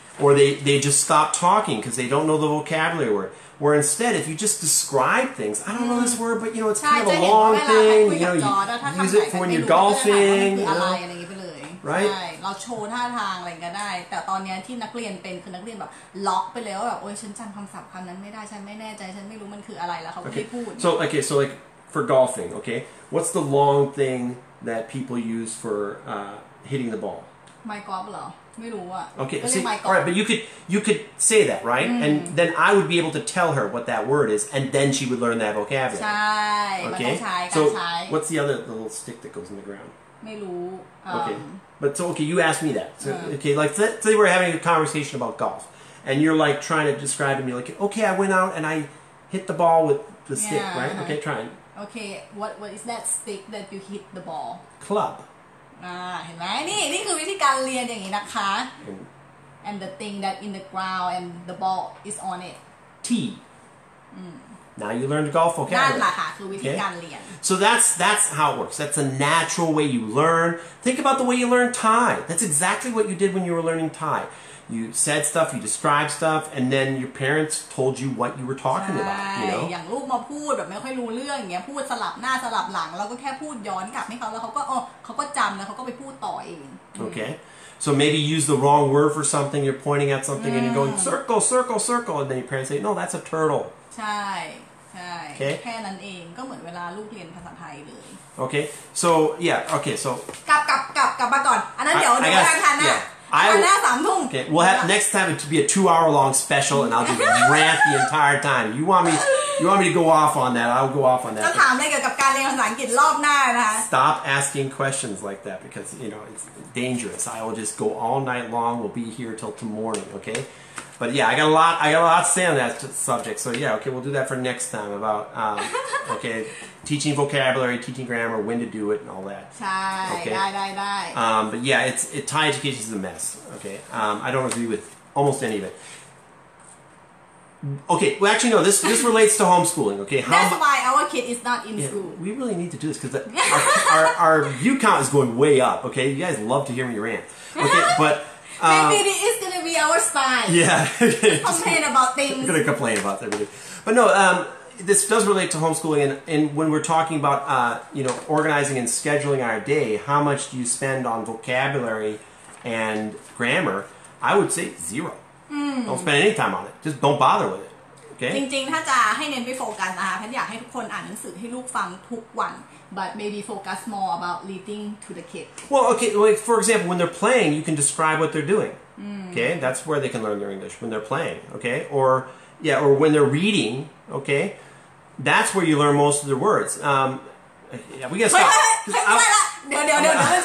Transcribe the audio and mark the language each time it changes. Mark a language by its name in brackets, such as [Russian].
[English] Or they just stop talking because they don't know the vocabulary word. Where instead, if you just describe things, I don't know this word, but you know, it's kind of a long thing. You know, you use it for when you're golfing. Right? [Thai] ใช่เราโชว์ท่าทางอะไรก็ได้แต่ตอนนี้ที่นักเรียนเป็นคือนักเรียนแบบล็อกไปแล้วแบบโอ๊ยฉันจำคำศัพท์คำนั้นไม่ได้ฉันไม่แน่ใจฉันไม่รู้มันคืออะไรแล้วเขาไม่พูด [English] So, okay, so like for golfing, okay? What's the long thing that people use for hitting the ball? My golf [Thai] เหรอ ไม่รู้อ่ะ [English] Okay, see, alright, but you could say that, right? Mm. And then I would be able to tell her what that word is, and then she would learn that vocabulary. [Thai] ใช่ okay? มันก็ใช้การใช้ [English] So, what's the other little stick that goes in the ground? [Thai] ไม่รู้ [English] Okay, but so, okay, you asked me that. So, okay, like, say we're having a conversation about golf, and you're, like, trying to describe to me, like, okay, I went out and I hit the ball with the stick, right? Uh-huh. Okay, try it. Okay, what is that stick that you hit the ball? Club. [Thai] เห็นไหมนี่คือวิธีการเรียนอย่างนี้นะคะ [English] and the thing that in the ground and the ball is on it tee now you learned golf okay [Thai] นั่นแหละค่ะคือวิธีการเรียน [English] so that's how it works that's a natural way you learn think about the way you learn Thai that's exactly what you did when you were learning Thai you said stuff you described stuff and then your parents told you what you were talking about you know [Thai] อย่างลูกมาพูดแบบไม่ค่อยรู้เรื่องอย่างเงี้ยพูดสลับหน้าสลับหลังแล้วก็แค่พูดย้อนกลับให้เขาแล้วเขาก็จำแล้วเขาก็ไปพูดต่อเอง [English] okay so maybe you use the wrong word for something you're pointing at something and you're going circle circle circle and then your parents say no that's a turtle [Thai] ใช่ [English] okay. [Thai] แค่นั้นเองก็เหมือนเวลาลูกเรียนภาษาไทยเลย [English] okay so yeah okay so [Thai] กลับมาก่อนอันนั้นเดี๋ยวเดี๋ยวเราทันนะ [English] Okay, we'll have next time it to be a 2-hour long special and I'll just rant the entire time. You want me to go off on that, I'll go off on that. [Thai] จะถามเกี่ยวกับการเรียนภาษาอังกฤษรอบหน้านะคะ [English] Stop asking questions like that because, you know, it's dangerous. I will just go all night long, we'll be here till tomorrow, okay? But yeah, I got a lot to say on that subject. So yeah, okay, we'll do that for next time about, okay, teaching vocabulary, teaching grammar, when to do it and all that. [Thai] ใช่ okay? ได้ [English] But yeah, Thai education is a mess, okay? I don't agree with almost any of it. Okay, well actually no, this relates to homeschooling, okay? That's why our kid is not in school. We really need to do this because our view count is going way up, okay? You guys love to hear me rant. Okay, but... Maybe it is going to be our style. Yeah. complain about things. We're going to complain about everything. But no, this does relate to homeschooling. And when we're talking about, you know, organizing and scheduling our day, how much do you spend on vocabulary and grammar? I would say zero. Mm. Don't spend any time on it. Just don't bother with it. Okay? [Thai] จริงๆถ้าจะให้เน้นไปโฟกัสนะคะฉันอยากให้ทุกคนอ่านหนังสือให้ลูกฟังทุกวัน [English] but maybe focus more about reading to the kid well okay like for example when they're playing you can describe what they're doing okay that's where they can learn their English when they're playing okay or when they're reading okay that's where you learn most of their words yeah we gotta stop [Thai] เดี๋ยว